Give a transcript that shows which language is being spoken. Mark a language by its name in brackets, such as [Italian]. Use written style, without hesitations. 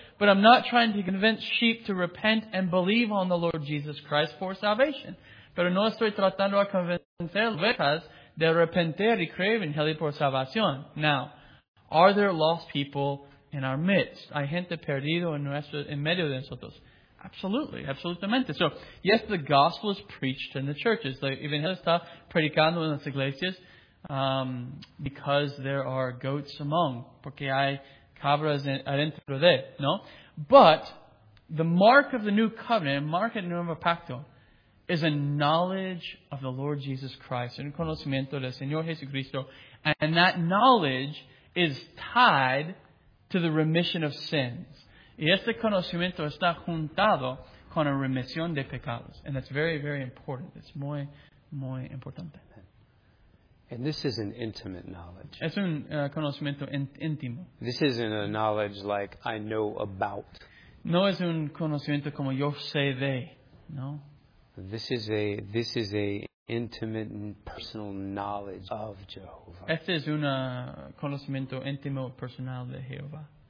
[English] But I'm not trying to convince sheep to repent and believe on the Lord Jesus Christ for salvation. [Spanish] Pero no estoy tratando a convencer ovejas de arrepentir y creer en Jesús por salvación. [English] Now, are there lost people in our midst? [Spanish] Hay gente perdida en medio de nosotros. [English] Absolutely, [Spanish] absolutamente. [English] So, yes, the gospel is preached in the churches. [Spanish] The evangelio está predicando en las iglesias. [English] Because there are goats among, [Spanish] porque hay cabras adentro de, no? [English] But the mark of the new covenant, mark of the [Spanish] nuevo pacto, [English] is a knowledge of the Lord Jesus Christ, [Spanish] un conocimiento del Señor Jesucristo, [English] and that knowledge is tied to the remission of sins. [Spanish] Y este conocimiento está juntado con la remisión de pecados, [English] and that's very, very important. [Spanish] It's muy, muy importante. [English] And this is an intimate knowledge. [Spanish] Es un conocimiento íntimo. [English] This isn't a knowledge like I know about. [Spanish] No es un conocimiento como yo sé de. No. [English] This is a intimate and personal knowledge of Jehovah. [Spanish] Este es un conocimiento íntimo personal de Jehová.